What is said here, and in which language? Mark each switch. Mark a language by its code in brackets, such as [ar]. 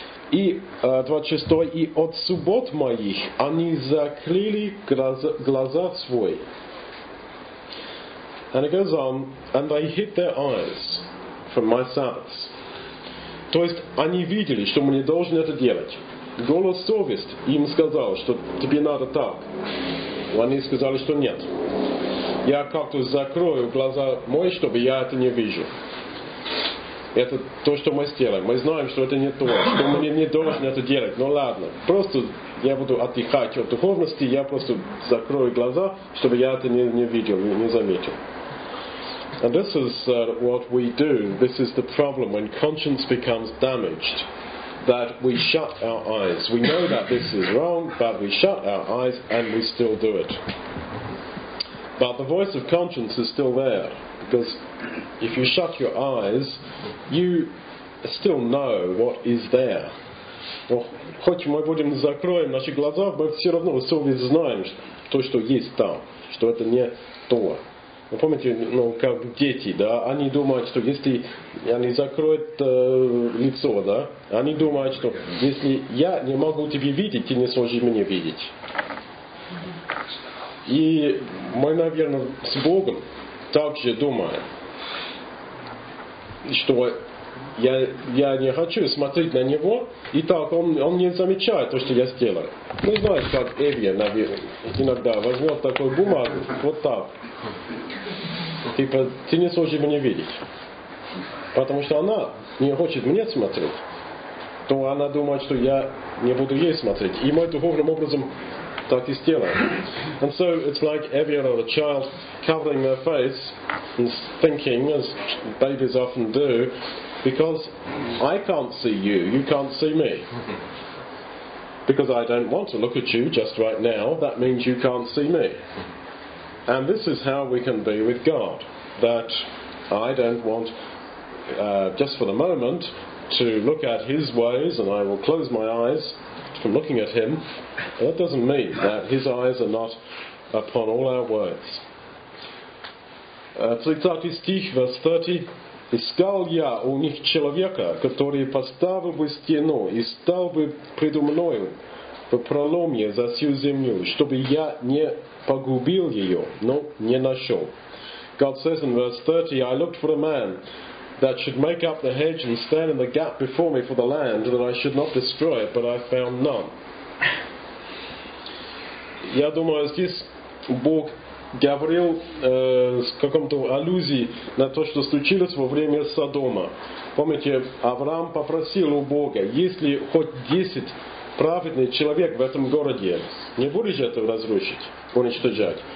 [ru] И 26, и от суббот моих они закрыли глаза свои. [en] And it goes on, and they hid their eyes from my Sabbaths. [ru] То есть они видели, что мы не должны это делать. Голос совести им сказал, что тебе надо так. Они сказали, что нет. Я как-то закрою глаза мои, чтобы я это не вижу. Это то, что мы сделаем. Мы знаем, что это не то, что мы не должны это делать. Ну ладно, просто я буду отдыхать от духовности, я просто закрою глаза, чтобы я это не видел, не заметил. [en] And this is what we do. This is the problem when conscience becomes damaged. That we shut our eyes. We know that this is wrong, but we shut our eyes and we still do it. But the voice of conscience is still there, because if you shut your eyes, you still know what is there. Well, [ru] хоть мы будем закроем наши глаза, мы все равно совесть знаем то, что есть там, что это не то. Вы помните, как дети, да, они думают, что если они закроют лицо, да, они думают, что если я не могу тебя видеть, ты не сможешь меня видеть. И мы, наверное, с Богом также думаем, что я не хочу смотреть на Него, и так он не замечает то, что я сделаю. Ну, знаешь, как Эвия, наверное, иногда возьмет такую бумагу, вот так. Типа, ты не сможешь меня видеть. Потому что она не хочет мне смотреть, то она думает, что я не буду ей смотреть. И мы духовным образом так и сделаем. [en] And so it's like Evian or a child covering their face and thinking, as babies often do, because I can't see you, you can't see me. Because I don't want to look at you just right now, that means you can't see me. And this is how we can be with God, that I don't want, just for the moment, to look at His ways, and I will close my eyes from looking at Him. But that doesn't mean that His eyes are not upon all our words. [ru] 30 стих, [en] verse 30. [ru] Искал я у них человека, который поставил бы стену и стал бы предо мною в проломе за всю землю, чтобы я не погубил ее, но не нашел. [en] God says in verse 30, I looked for a man that should make up the hedge and stand in the gap before me for the land, that I should not destroy it, but I found none. [ru] Я думаю, здесь Бог говорил с каком-то аллюзией на то, что случилось во время Содома. Помните, Авраам попросил у Бога, есть ли хоть 10 праведных человек в этом городе, не будешь это разрушить, уничтожать?